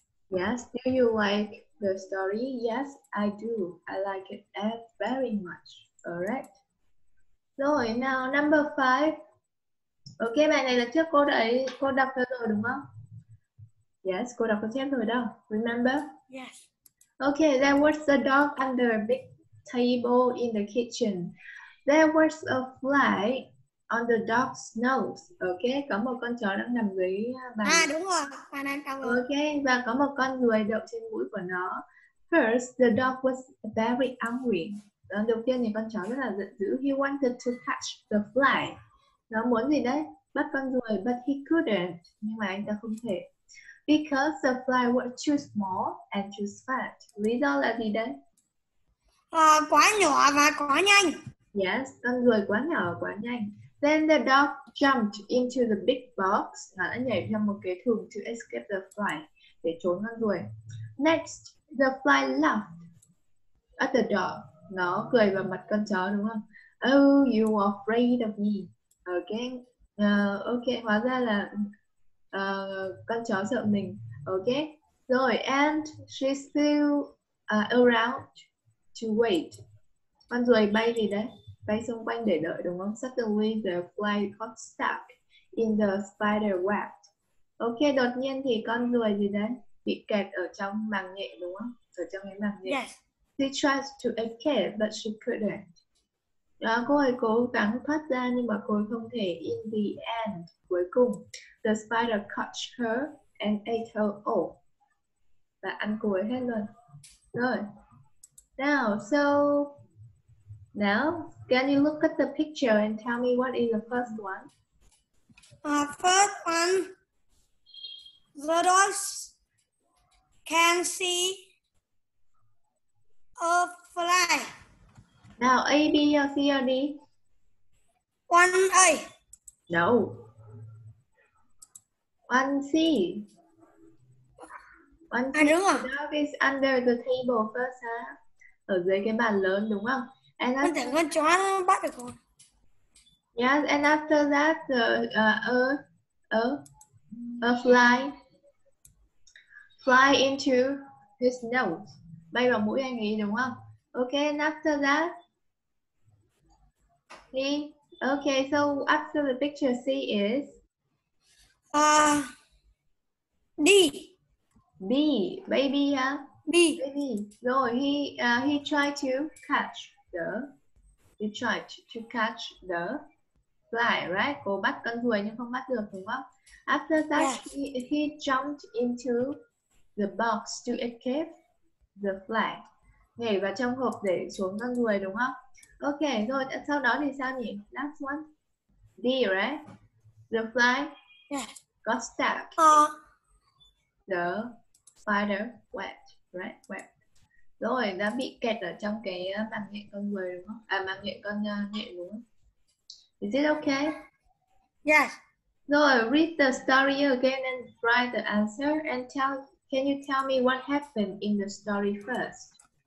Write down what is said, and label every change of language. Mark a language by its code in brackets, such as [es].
[en] Yes. Do you like the story? Yes, I do. I like it very much. Alright. Rồi, now number 5. [vi] Ok, bài này là trước cô đấy. Cô đọc cho rồi đúng không? Yes, cô đọc cho xem rồi đâu. [en] Remember? Yes. Ok, there was a dog under a big table in the kitchen. There was a fly on the dog's nose. [vi] Okay, có một con chó đang nằm dưới bàn. À đúng rồi, bàn ăn cơm. Okay, và có một con ruồi đậu trên mũi của nó. [en] First, the dog was very angry. [vi] Đầu tiên thì con chó rất là giận dữ. [en] He wanted to catch the fly. [vi] Nó muốn gì đấy? Bắt con ruồi, [en] but he couldn't. [vi] Nhưng mà anh ta không thể. [en] Because the fly was too small and too fat. [vi] Lý do là gì đấy? Quá nhỏ và quá nhanh. Yes, con ruồi quá nhỏ và quá nhanh. [en] Then the dog jumped into the big box. [vi] Nó đã nhảy trong một cái thùng [en] to escape the fly, [vi] để trốn con ruồi. [en] Next, the fly laughed at the dog. [vi] Nó cười vào mặt con chó đúng không? [en] Oh, you are afraid of me. Again. [vi] Okay, hóa ra là con chó sợ mình. Okay. Rồi, [en] and she's still around to wait. [vi] Con ruồi bay gì đấy? Bay xung quanh để đợi đúng không? [en] Suddenly the fly got stuck in the spider web. [vi] Ok, đột nhiên thì con ruồi gì đấy? Bị kẹt ở trong màng nhện đúng không? Ở trong cái màng nhện. [en] Yes. She tried to escape but she couldn't. [vi] Đó, cô ấy cố gắng thoát ra nhưng mà cô ấy không thể. [en] In the end, [vi] cuối cùng, [en] the spider caught her and ate her all. [vi] Và ăn cô ấy hết luôn. Rồi. [en] Now, so... Now, can you look at the picture and tell me what is the first one? First one, the dogs can see a fly. Now, A, B, or C, or D? One A. No. One C. One C. À, đúng rồi. The dog is under the table first, ha? Huh? [vi] Ở dưới cái bàn lớn, đúng không? [en] And after, yes, and after that, the a fly into his nose. [vi] Bay vào mũi anh ấy đúng không? [en] Okay, and after that, he. Okay, so after the picture, C is. D. B, baby, huh? B. Baby. So he tried to catch. He tried to catch the fly, right? [vi] Cô bắt con ruồi nhưng không bắt được, đúng không? [en] After that, yes. he jumped into the box to escape the fly. [vi] Nhảy vào trong hộp để xuống con ruồi, đúng không? Ok, rồi sau đó thì sao nhỉ? [en] Last one. D, right? The fly yes. got stuck. The spider wet, right? Wet. [vi] Rồi, đã bị kẹt ở trong cái màng nhện con người đúng không? À, màng nhện con nhện đúng không? [en] Is it okay? Yes. Rồi, read the story again and write the answer and tell, can you tell me what happened in the story first?